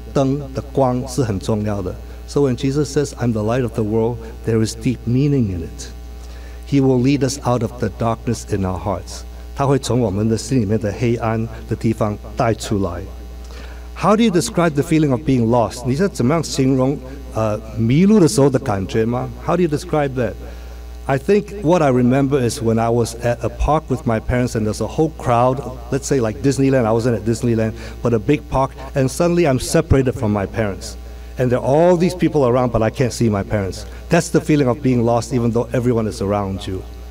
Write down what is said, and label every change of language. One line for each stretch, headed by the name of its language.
Chinese: 所以主耶稣说，我是世界的灯，的光是很重要的。
English: So when Jesus says, I'm the light of the world, there is deep meaning in it. He will lead us out of the darkness in our hearts.
Chinese: 他会从我们的心里面的黑暗的地方带出来。
English: How do you describe the feeling of being lost?
Chinese: 你是怎么样形容, 迷路的时候的感觉吗?
English: How do you describe that? I think what I remember is when I was at a park with my parents and there's a whole crowd, let's say like Disneyland, I wasn't at Disneyland, but a big park, and suddenly I'm separated from my parents. And there are all these people around, but I can't see my parents. That's the feeling of being lost even though everyone is around you.